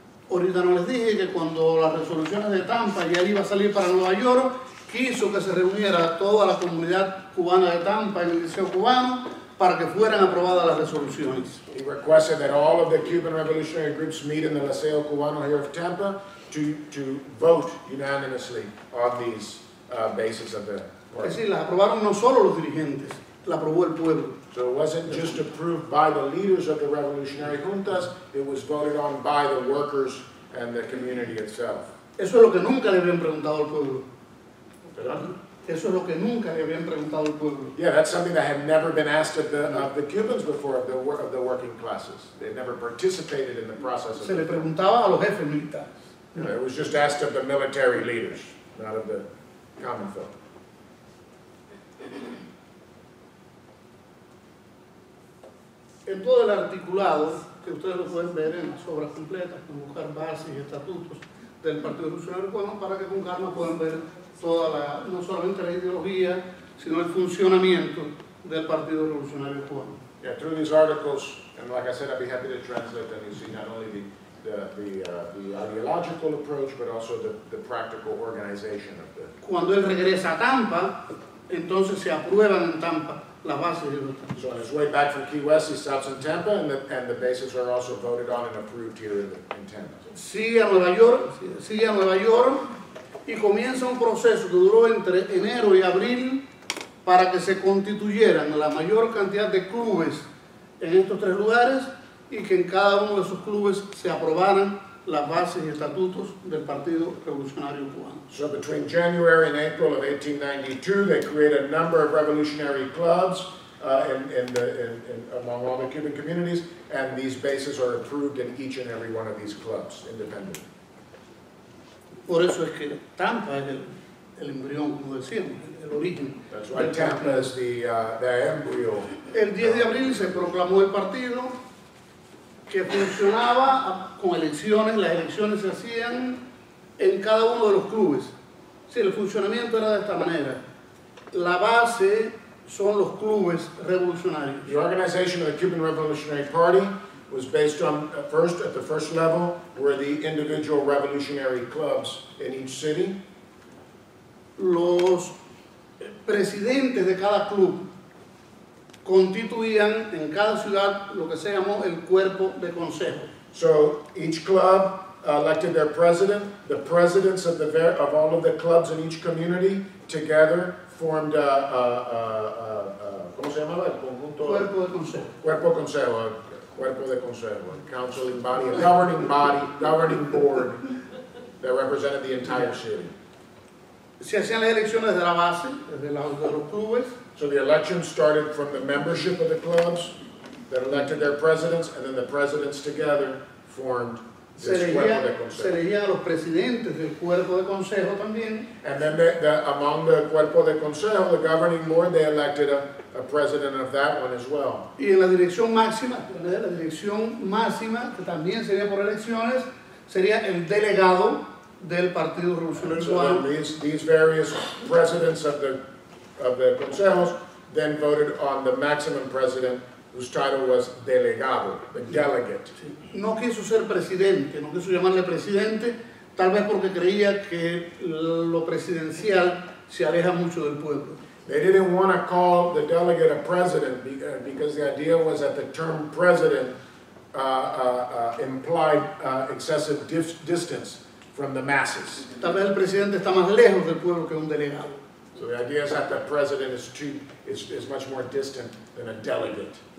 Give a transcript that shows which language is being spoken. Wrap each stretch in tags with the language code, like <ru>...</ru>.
<es>Ahorita no les dije que cuando las resoluciones de Tampa ya iba a salir para Nueva York, quiso que se reuniera toda la comunidad cubana de Tampa en el Liceo Cubano para que fueran aprobadas las resoluciones.</es> <en>He requested that all of the Cuban revolutionary groups meet in the Liceo Cubano here of Tampa to vote unanimously on these bases of the party.</en> <es>Es decir, las aprobaron no solo los dirigentes, la aprobó el pueblo.</es> <en>So it wasn't just approved by the leaders of the revolutionary juntas, it was voted on by the workers and the community itself.</en> <es>Eso es lo que nunca le habían preguntado al pueblo. Eso es lo que nunca le habían preguntado al pueblo.</es> <en>Yeah, that's something that had never been asked of the Cubans before, of the working classes. They never participated in the process.</en> <es>Se le preguntaba a los jefes militares.</es> <en>It was just asked of the military leaders, not of the common folk.</en> <es>En todo el articulado, que ustedes lo pueden ver en las obras completas, convocar bases y estatutos del Partido Revolucionario Cubano, para que con calma puedan ver toda la, no solamente la ideología, sino el funcionamiento del Partido Revolucionario Cubano.</es> <en>Yeah, through these articles, and like I said, I'd be happy to translate them, you see not only the ideological approach, but also the practical organization of the...</en> <es>Cuando él regresa a Tampa, entonces se aprueban en Tampa las bases.</es> <en>So on his way back from Key West, he stops in Tampa, and the bases are also voted on and approved here in Tampa.</en> <es>Sigue a Nueva York, y comienza un proceso que duró entre enero y abril para que se constituyeran la mayor cantidad de clubes en estos tres lugares y que en cada uno de esos clubes se aprobaran las bases y estatutos del Partido Revolucionario Cubano.</es> <en>So between January and April of 1892, they create a number of revolutionary clubs among all the Cuban communities, and these bases are approved in each and every one of these clubs independently.</en> <es>Por eso es que Tampa es el embrión, como decíamos, el origen.</es> <en>That's why Tampa is the embryo.</en> <es>El 10 de abril se proclamó el partido, que funcionaba con elecciones. Las elecciones se hacían en cada uno de los clubes. Sí, el funcionamiento era de esta manera. La base son los clubes revolucionarios.</es> <en>The organization of the Cuban Revolutionary Party was based on, at the first level, were the individual revolutionary clubs in each city.</en> <es>Los presidentes de cada club constituían en cada ciudad lo que se llamó el cuerpo de consejo.</es> <en>So each club elected their president. The presidents of the of all of the clubs in each community together formed a</en> <es>¿cómo se llamaba? El conjunto cuerpo de consejo. Cuerpo consejo. Cuerpo de consejo.</es> <en>Counseling body, a governing body, governing board that represented the entire city.</en> <es>Se hacían las elecciones desde la base, desde los clubes.</es> <en>So the election started from the membership of the clubs that elected their presidents, and then the presidents together formed this cuerpo de consejo. And then among the cuerpo de consejo, the governing board, they elected a president of that one as well.</en> <es>Y en la dirección máxima, que también sería por elecciones, sería el delegado del Partido Revolucionario.</es> <en>So these various presidents of the consejos then voted on the maximum president, whose title was delegado, the delegate.</en> <es>No quiso ser presidente, no quiso llamarle presidente, tal vez porque creía que lo presidencial se aleja mucho del pueblo.</es> <en>They didn't want to call the delegate a president because the idea was that the term president implied excessive distance from the masses.</en> <es>Tal vez el presidente está más lejos del pueblo que un delegado.</es> <en>So the idea is that the president is much more distant than a delegate</en>